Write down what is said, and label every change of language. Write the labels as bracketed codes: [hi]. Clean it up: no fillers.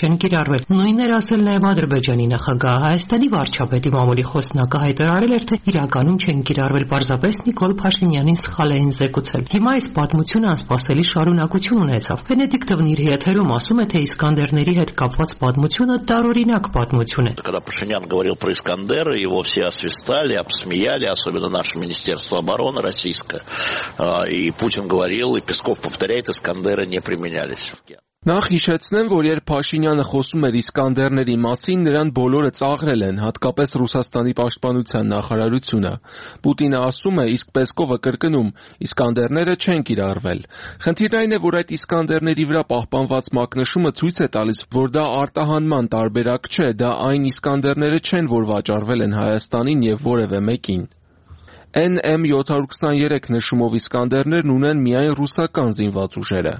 [hy] չեն կիրառվել։ Նույնն էր ասել նաև Ադրբեջանի նախագահ։ Հայաստանի վարչապետի մամուլի խոսնակը հայտարարել էր, թե իրականում չեն կիրառվել, պարզապես Նիկոլ Փաշինյանին սխալ էին զեկուցել։ Հիմա այս պատմությունը անսպասելի շարունակություն ունեցավ։ Վենետիկտովն իր եթերում ասում է, թե Իսկանդերների հետ կապված պատմությունը տարօրինակ պատմություն է։ [ru] Когда Пашинян говорил про Искандера, его все освистали, обсмеяли, особенно наше Министерство обороны российское. И Путин говорил, и Песков повторяет, Искандеры не применялись. [hy] Նախ հիշեցնեմ, որ երբ Փաշինյանը խոսում էր Իսկանդերների մասին, նրան բոլորը ծաղրել են, հատկապես Ռուսաստանի պաշտպանության նախարարությունը։ Պուտինը ասում է, իսկ Պեսկովը կրկնում, Իսկանդերները չեն կիրառվել։ Խնդիրն այն է, որ այդ Իսկանդերների վրա պահպանված մակնշումը ցույց է տալիս, որ դա արտահանման տարբերակ չէ, դա այն Իսկանդերները չեն, որ վաճառվել են Հայաստանին և որևէ մեկին։ NM-723 նշումով Իսկանդերներն ունեն միայն ռուսական զինված ուժերը։